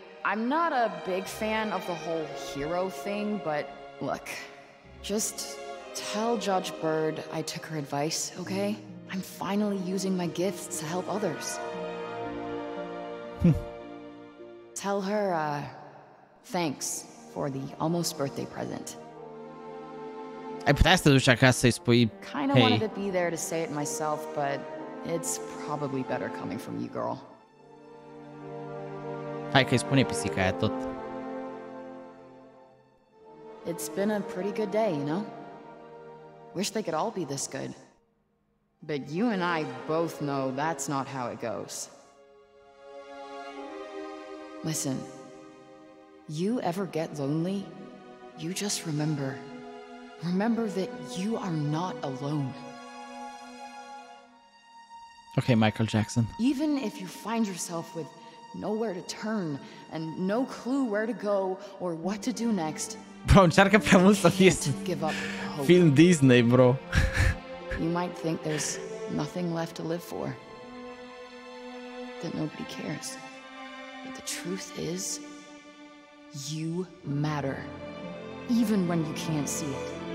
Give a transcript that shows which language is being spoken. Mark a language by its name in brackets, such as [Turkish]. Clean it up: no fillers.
[English] I'm not a big fan of the whole hero thing, but look, just tell Judge Bird I took her advice, okay? I'm finally using my gifts to help others. Tell her, thanks for the almost birthday present. [Romanian] Ai putea să duci acasă să-i spui, hey. [English] Kind of wanted to be there to say it myself, but it's probably better coming from you, girl. [Romanian] Hai că-i spune pisica aia tot. [English] It's been a pretty good day, you know? Wish they could all be this good. But you and I both know that's not how it goes. Listen, you ever get lonely, you just remember. Remember that you are not alone. Okay, Michael Jackson. Even if you find yourself with nowhere to turn and no clue where to go or what to do next. [Romanian] Bro, încearcă prea mult să fie [English] give up hope. [Romanian] Film Disney, bro. [English] You might think there's nothing left to live for. That nobody cares. But the truth is, you matter. Even when you can't see it.